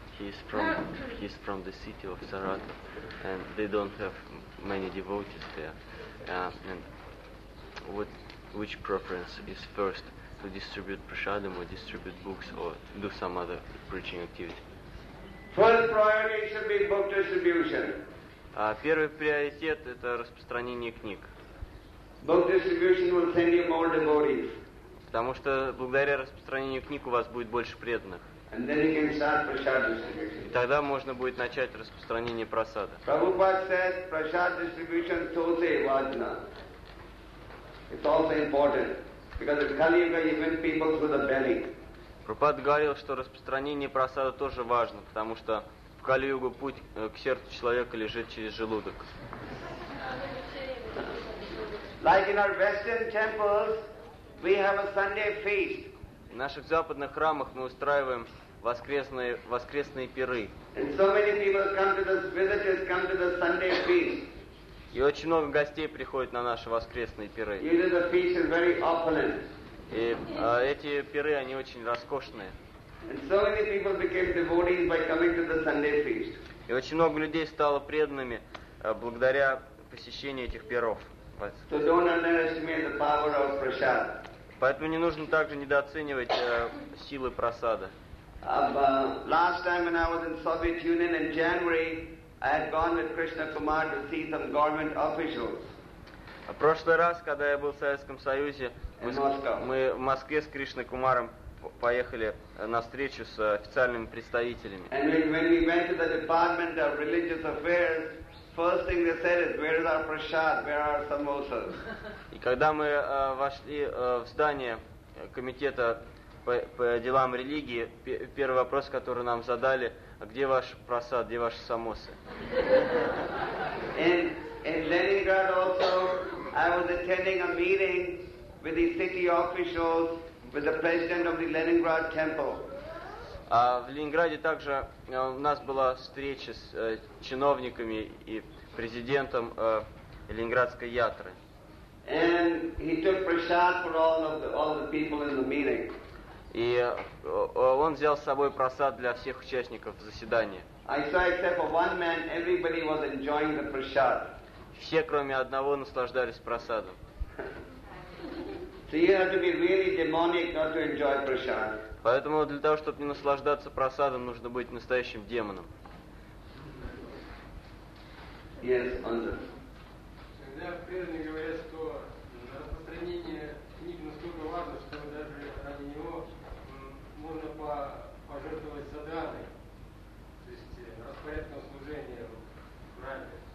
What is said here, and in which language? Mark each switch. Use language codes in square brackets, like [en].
[en] He's from the city of Saratov, and they don't have many devotees there. And which preference is first, to distribute prasadam or distribute books or do some other preaching activity? First priority should be book distribution. [ru] Первый приоритет – это распространение книг. [en] Book distribution will send you more devotees. [ru] Потому что благодаря распространению книг у вас будет больше преданных. [en] And then you can start prasad distribution. [ru] И тогда можно будет начать распространение прасада. [en] Prabhupada said prasad distribution totally vajna. It's also important because in Kali Yuga you win people through the belly. [ru] Прабхупада говорил, что распространение прасада тоже важно, потому что в Кали-Югу путь к сердцу человека лежит через желудок. [en] Like in our Western temples, we have a Sunday feast. [ru] В наших западных храмах мы устраиваем воскресные пиры. [en] And so many people come to the visitors come to the Sunday feast. [ru] И очень много гостей приходит на наши воскресные пиры. [en] Usually the feast is very opulent. [ru] И эти пиры, они очень роскошные. [en] And so many people became devotees by coming to the Sunday feast. [ru] И очень много людей стало преданными благодаря посещению этих пиров. [en] So don't underestimate the power of prasad. [ru] Поэтому не нужно также недооценивать силы прасада. [en] Last time when I was in Soviet Union in January, I had gone with Krishna Kumar to see some government officials. [ru] В прошлый раз, когда я был в Советском Союзе, мы в Москве с Кришной Кумаром поехали на встречу с официальными представителями. [en] And when we went to the Department of Religious Affairs, first thing they said is, where is our prasad? Where are our samosas? [ru] И когда мы вошли в здание комитета по делам религии, первый вопрос, который нам задали, где ваш прасад, где ваши самосы? [en] In Leningrad also, I was attending a meeting with the city officials, with the president of the Leningrad temple. [ru] В Ленинграде также у нас была встреча с чиновниками и президентом Ленинградской ятры. [en] And he took prasad for all the people in the meeting. [ru] И он взял с собой прасад для всех участников заседания. [en] I saw except for one man, everybody was enjoying the prasad. [ru] Все, кроме одного, наслаждались прасадом. [en] So you have to be really demonic not to enjoy prasad. [ru] Поэтому для того, чтобы не наслаждаться прасадом, нужно быть настоящим демоном. [en] Yes, under. [ru] Когда преданные говорят, что распространение книг настолько важно, что даже ради него можно пожертвовать садханой, то есть распорядком служения в храме.